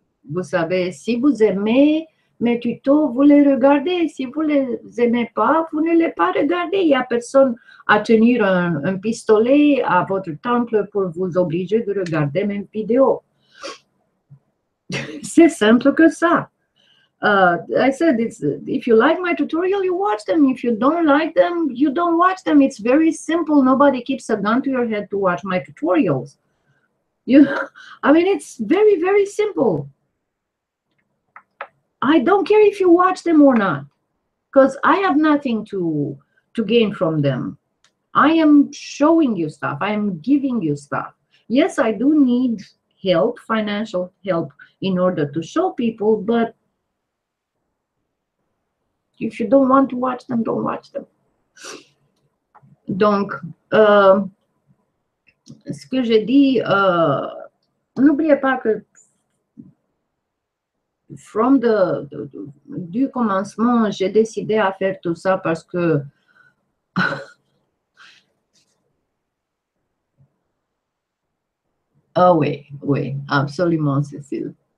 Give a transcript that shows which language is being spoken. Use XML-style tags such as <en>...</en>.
<fr>Vous savez, si vous aimez mes tutos, vous les regardez. Si vous ne les aimez pas, vous ne les pas regardez. Il n'y a personne à tenir un pistolet à votre temple pour vous obliger de regarder mes vidéos. C'est simple que ça.</fr> <en>I said, it's, if you like my tutorial, you watch them. If you don't like them, you don't watch them. It's very simple. Nobody keeps a gun to your head to watch my tutorials. You, I mean, it's very, very simple. I don't care if you watch them or not, because I have nothing to gain from them. I am showing you stuff. I am giving you stuff. Yes, I do need help, financial help, in order to show people, but if you don't want to watch them, don't watch them.</en> <fr>Donc, ce que j'ai dit, n'oubliez pas que</fr> <en>from</en> <fr>du commencement, j'ai décidé à faire tout ça parce que oh oui, oui, absolument, Cécile.</fr>